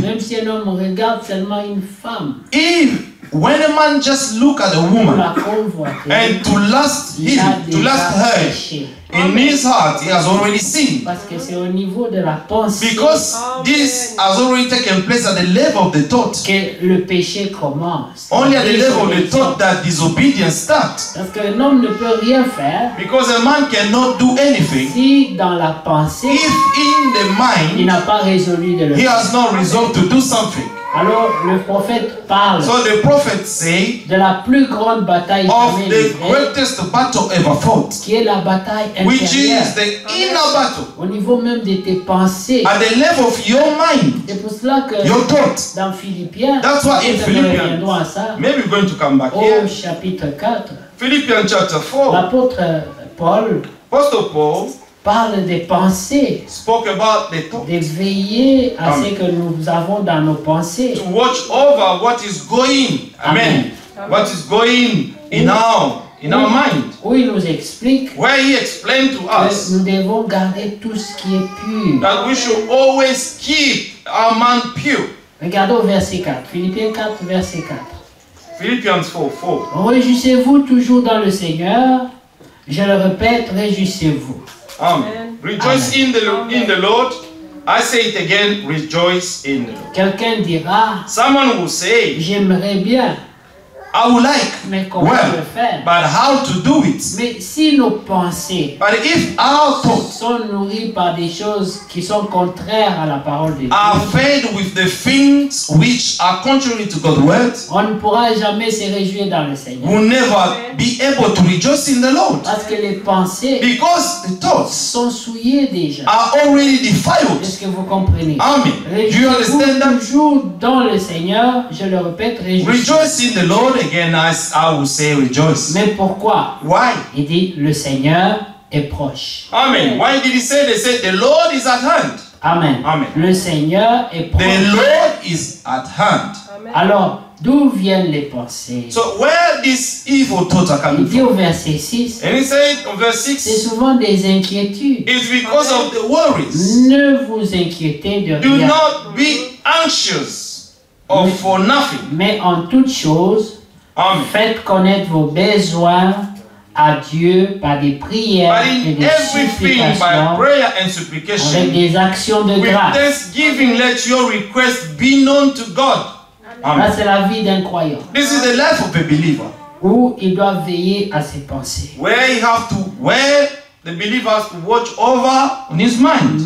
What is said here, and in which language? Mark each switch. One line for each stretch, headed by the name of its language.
French: même si un homme regarde seulement une femme,
English: if when a man just look at a woman and to lust him, to lust her, in his heart he has already sinned.
French: Parce que c'est au niveau de la pensée.
English: Because this has already taken place at the level of the thought.
French: Que le péché commence.
English: Only at the level of the thought that disobedience starts.
French: Parce que un homme ne peut rien faire.
English: Because a man cannot do anything.
French: Si dans la pensée,
English: if in the mind,
French: il n'a pas résolu de le
English: he has not resolved to do something.
French: Alors le prophète parle,
English: so the prophet say,
French: de la plus grande bataille
English: of the greatest battle ever fought,
French: qui est la bataille intérieure,
English: which is the inner battle,
French: au niveau même de tes pensées,
English: at the level of your mind,
French: c'est pour cela que
English: your thoughts,
French: dans Philippiens,
English: that's why in Philippians, maybe we're going to come back
French: au
English: here,
French: au chapitre 4,
English: Philippians chapter 4,
French: l'apôtre Paul,
English: apostle Paul,
French: parle des pensées,
English: spoke about the thoughts,
French: de veiller à amen, ce que nous avons dans nos pensées,
English: to watch over what is going, amen, amen, what is going in our, in
French: où,
English: our mind,
French: où il nous explique,
English: where he explained to us,
French: que nous devons garder tout ce qui est pur,
English: that we should always keep our mind pure.
French: Regardons verset 4, Philippiens 4, verset 4.
English: Philippians 4, 4.
French: Réjouissez-vous toujours dans le Seigneur, je le répète, réjouissez-vous.
English: Amen. Rejoice amen. In the Lord. I say it again, rejoice in the Lord.
French: Quelqu'un dira,
English: someone will say,
French: j'aimerais bien
English: I would like.
French: Mais comment well, le faire?
English: But how to do it?
French: Mais si nos pensées
English: but if our thoughts
French: sont nourries par des choses qui sont contraires à la parole de Dieu,
English: are fed with the things which are contrary to God's word,
French: on ne pourra jamais se réjouir dans le Seigneur.
English: We'll never be able to rejoice in the Lord.
French: Parce que les pensées
English: because the thoughts
French: sont souillées déjà.
English: Are already defiled.
French: Est-ce que vous comprenez?
English: Amen. Do you understand that?
French: Toujours dans le Seigneur, je le répète, réjouis.
English: Rejoice in the Lord. Again, as I will say, rejoice.
French: Mais pourquoi?
English: Why?
French: Il dit le Seigneur est proche.
English: Amen. Why did he say? They said the Lord is at hand. Amen. Amen.
French: Le Seigneur est proche.
English: The Lord is at hand.
French: Amen. Alors, d'où viennent les pensées?
English: So where this evil thoughts are coming from?
French: Il dit
English: from?
French: Au verset 6.
English: And he said on verse 6.
French: C'est souvent des inquiétudes.
English: It's because Amen. Of the worries.
French: Ne vous inquiétez de
English: do
French: rien.
English: Do not be anxious. Or for nothing.
French: Mais en toute chose,
English: Amen.
French: Faites connaître vos besoins à Dieu par des prières
English: but
French: et des supplications.
English: By prayer and supplication,
French: avec des actions de
English: with
French: grâce.
English: Thanksgiving, let your request be known to God.
French: Amen. Là, c'est la vie d'un croyant.
English: This is the life of a believer.
French: Où il doit veiller à ses pensées.
English: Where he have to, where the believer has to watch over on his mind.